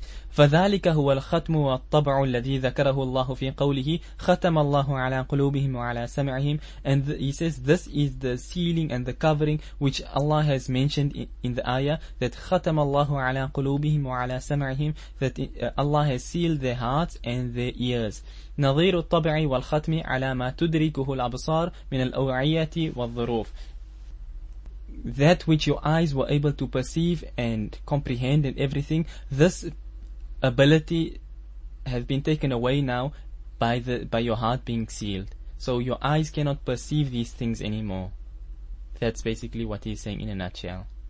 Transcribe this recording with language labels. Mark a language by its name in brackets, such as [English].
[Arabic] فَذَلِكَ هُوَ الْخَتْمُ وَالطَّبْعُ الَّذِي ذَكَرَهُ اللَّهُ فِي قَوْلِهِ خَتَمَ اللَّهُ عَلَىٰ قُلُوبِهِمْ وَعَلَىٰ سَمِعِهِمْ. [English] And he says, this is the sealing and the covering which Allah has mentioned in the ayah, that [Arabic] خَتَمَ اللَّهُ عَلَىٰ قُلُوبِهِمْ وَعَلَىٰ سَمِعِهِمْ, [English] that Allah has sealed their hearts and their ears. [Arabic] نظير الطبع والختم على ما تدركه الأبصار من الأوعية والظروف. [English] That which your eyes were able to perceive and comprehend and everything, this ability has been taken away now by your heart being sealed. So your eyes cannot perceive these things anymore. That's basically what he's saying in a nutshell.